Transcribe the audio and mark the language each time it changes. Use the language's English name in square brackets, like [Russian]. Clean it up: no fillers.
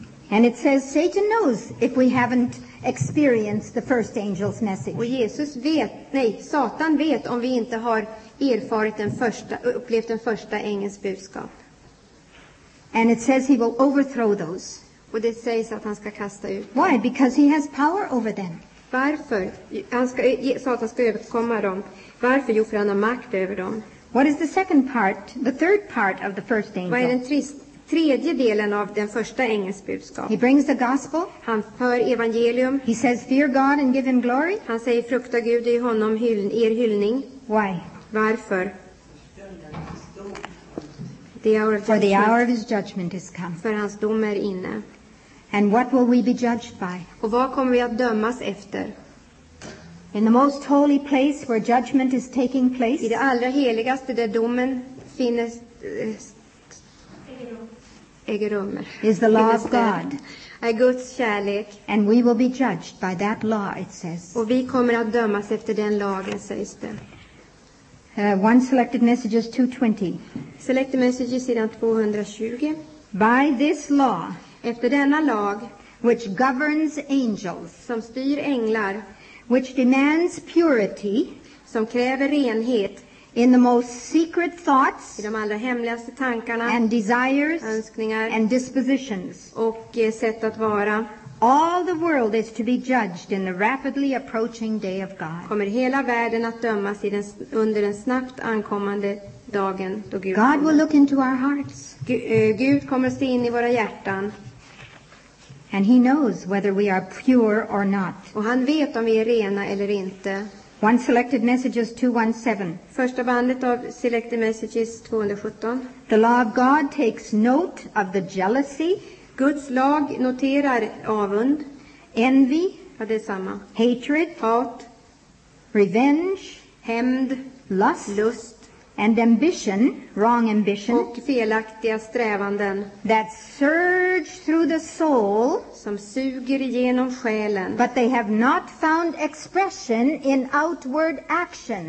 [English] And it says Satan knows if we haven't experienced the first angel's message. [Swedish] Och Jesus vet, nej, Satan vet om vi inte har erfarit den första, upplevt den första ängelns budskap. [English] And it says he will overthrow those. [Swedish] Och det sägs att han ska kasta ut. [English] Why? Because he has power over them. [Swedish] Varför? Han ska, Satan ska överkomma dem. Varför? Jo, för han har makt över dem. [English] What is the second part, the third part of the first angel? [Swedish] Vad är den tredje delen av den första ängelns budskap? [English] He brings the gospel. [Swedish] Han för evangelium. [English] He says, fear God and give him glory. [Swedish] Han säger, frukta Gud i honom er hyllning. [English] Why? [Swedish] Varför? [English] For the hour of his judgment is come. [Swedish] För hans dom är inne. [English] And what will we be judged by? [Swedish] Och vad kommer vi att dömas efter? [English] In the most holy place where judgment is taking place. [Swedish] I det allra heligaste där domen finns äger rum. [English] Is the law of God. [Swedish] Är Guds kärlek. [English] And we will be judged by that law, it says. [Swedish] Och vi kommer att dömas efter den lagen, sägs det. [English] One selected messages 220. [Swedish] Selected messages sidan 220. [English] By this law. [Swedish] Efter denna lag, [English] which governs angels, [Swedish] som styr änglar, [English] which demands purity, [Swedish] som kräver renhet, [English] in the most secret thoughts, [Swedish] i de allra hemligaste tankarna, [English] and desires, [Swedish] önskningar, [English] and dispositions, [Swedish] och sätt att vara, [English] all the world is to be judged in the rapidly approaching day of God. [Swedish] Kommer hela världen att dömas i den, under den snabbt ankommande dagen då Gud. [English] God will look into our hearts. [Swedish] Gud kommer se in i våra hjärtan. [English] And he knows whether we are pure or not. [Swedish] Och han vet om vi är rena eller inte. [English] One selected messages 217. [Swedish] Första bandet av selected messages 217. [English] The law of God takes note of the jealousy. [Swedish] Guds lag noterar avund. [English] Envy. [Swedish] Ja, det är samma. [English] Hatred. [Swedish] Hat. [English] Revenge. [Swedish] Hämnd. [English] Lust. [Swedish] Lust. [English] And ambition, wrong ambition, [Swedish] och felaktiga strävanden, [English] that surge through the soul, [Swedish] som suger igenom själen, [English] but they have not found expression in outward actions,